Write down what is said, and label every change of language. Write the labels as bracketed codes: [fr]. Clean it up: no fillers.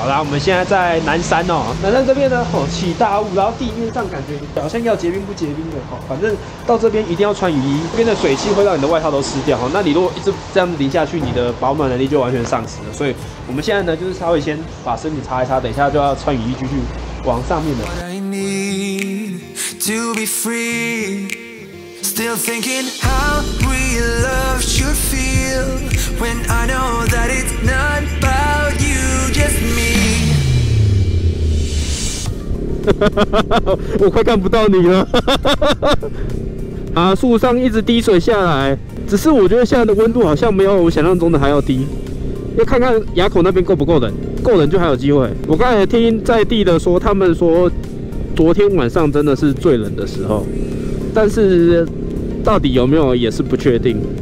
[zh] 好啦，我们现在在南山哦，南山这边呢，吼起大雾，然后地面上感觉好像要结冰不结冰的吼，反正到这边一定要穿雨衣，这边的水汽会让你的外套都湿掉吼。那你如果一直这样淋下去，你的保暖能力就完全丧失了。所以我们现在呢，就是稍微先把身体擦一擦，等一下就要穿雨衣继续往上面的。 [en] What I need to be free, still thinking how we love should feel. When I know that it's not about you, just me. [zh] 我快看不到你了。啊，树上一直滴水下来，只是我觉得现在的温度好像没有我想象中的还要低。要看看垭口那边够不够冷，够冷就还有机会。我刚才听在地的说，他们说昨天晚上真的是最冷的时候，但是到底有没有也是不确定。